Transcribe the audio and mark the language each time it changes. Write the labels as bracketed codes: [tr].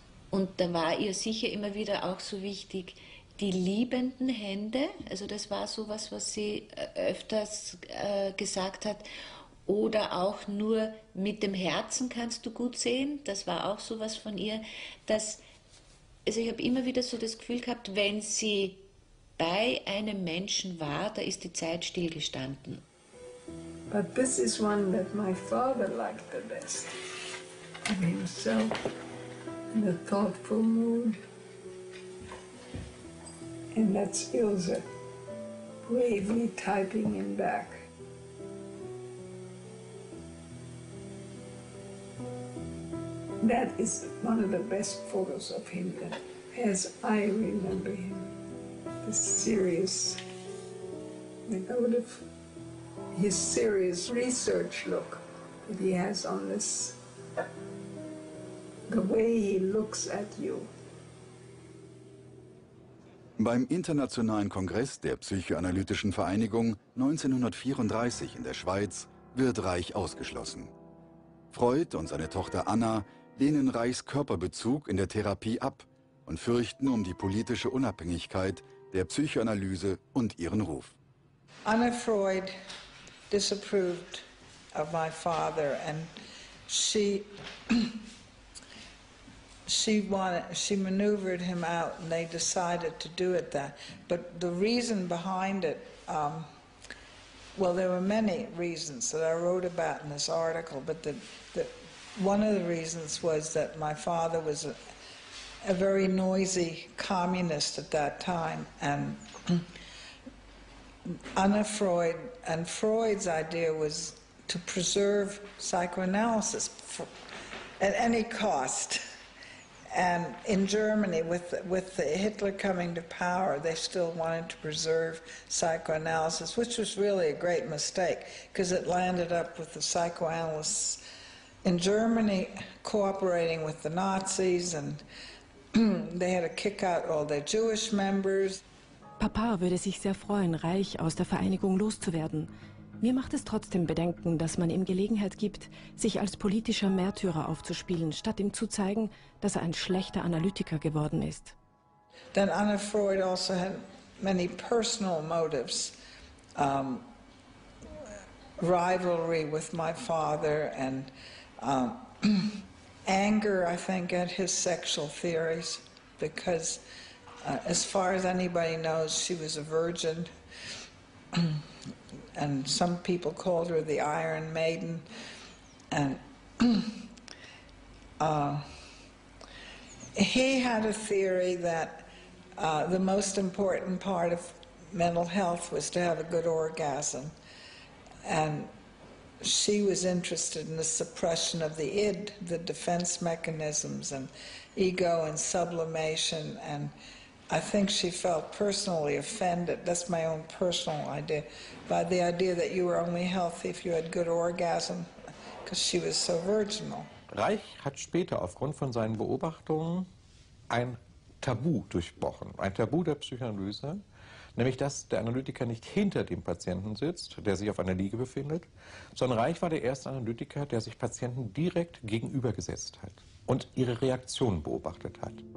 [de] Und da war ihr sicher immer wieder auch so wichtig, die liebenden Hände, also das war so was, was sie öfters gesagt hat, oder auch nur mit dem Herzen kannst du gut sehen. Das war auch sowas von ihr, dass, also ich habe immer wieder so das Gefühl gehabt, wenn sie bei einem Menschen war, da ist die Zeit stillgestanden. [en] But this is one that my father liked the best. And himself, in a thoughtful mood. And that's Ilse, bravely typing him back. That is one of the best photos of him that, as I remember him, the serious, his serious research look that he has on this, the way he looks at you. [de] Beim Internationalen Kongress der Psychoanalytischen Vereinigung 1934 in der Schweiz wird Reich ausgeschlossen. Freud und seine Tochter Anna lehnen Reichs Körperbezug in der Therapie ab und fürchten um die politische Unabhängigkeit der Psychoanalyse und ihren Ruf. [en] Anna Freud disapproved of my father and she maneuvered him out and they decided to do it that. But the reason behind it, well, there were many reasons that I wrote about in this article, but the one of the reasons was that my father was a very noisy communist at that time, and Anna Freud, and Freud's idea was to preserve psychoanalysis at any cost. And in Germany, with the Hitler coming to power, they still wanted to preserve psychoanalysis, which was really a great mistake, because it landed up with the psychoanalysts in Germany cooperating with the Nazis, and they had to kick out all their Jewish members. [de] Papa würde sich sehr freuen, Reich aus der Vereinigung loszuwerden. Mir macht es trotzdem Bedenken, dass man ihm Gelegenheit gibt, sich als politischer Märtyrer aufzuspielen, statt ihm zu zeigen, dass er ein schlechter Analytiker geworden ist. [en] that Anna Freud also had many personal motives, rivalry with my father and anger, I think, at his sexual theories, because as far as anybody knows, she was a virgin. And some people called her the Iron Maiden. And he had a theory that the most important part of mental health was to have a good orgasm. And she was interested in the suppression of the id, the defense mechanisms, and ego and sublimation. And I think she felt personally offended, that's my own personal idea, by the idea that you were only healthy if you had good orgasm, because she was so virginal. [de] Reich hat später aufgrund von seinen Beobachtungen ein Tabu durchbrochen, ein Tabu der Psychoanalyse, nämlich dass der Analytiker nicht hinter dem Patienten sitzt, der sich auf einer Liege befindet, sondern Reich war der erste Analytiker, der sich Patienten direkt gegenübergesetzt hat und ihre Reaktion beobachtet hat.